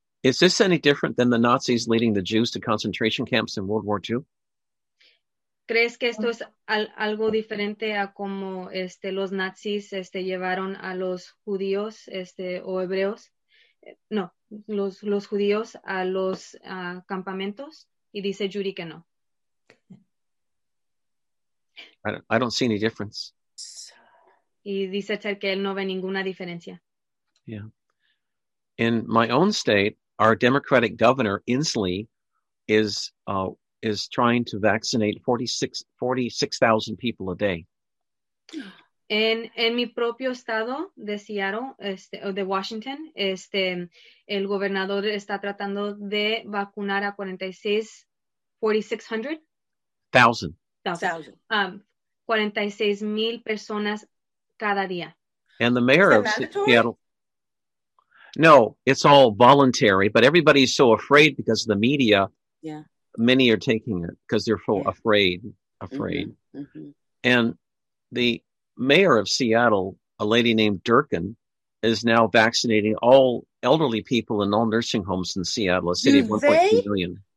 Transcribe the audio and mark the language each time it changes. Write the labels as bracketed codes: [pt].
[en] Is this any different than the Nazis leading the Jews to concentration camps in World War II? [es] ¿Crees que esto es algo diferente a como los nazis llevaron a los judíos o hebreos? No, los judíos a los campamentos, y dice Judy que no. [en] I don't see any difference. [es] Y dice Ted que él no ve ninguna diferencia. [en] Yeah. In my own state, our Democratic governor, Inslee, is trying to vaccinate 46,000 people a day. [es] En mi propio estado de Seattle, de Washington, el gobernador está tratando de vacunar a 46,000 personas cada día. [en] And the mayor of Seattle. No, it's all voluntary, but everybody's so afraid because of the media. Yeah. Many are taking it because they're so afraid. Mm-hmm. Mm-hmm. And the mayor of Seattle, a lady named Durkin, is now vaccinating all elderly people in all nursing homes in Seattle, a city of 1.2 million.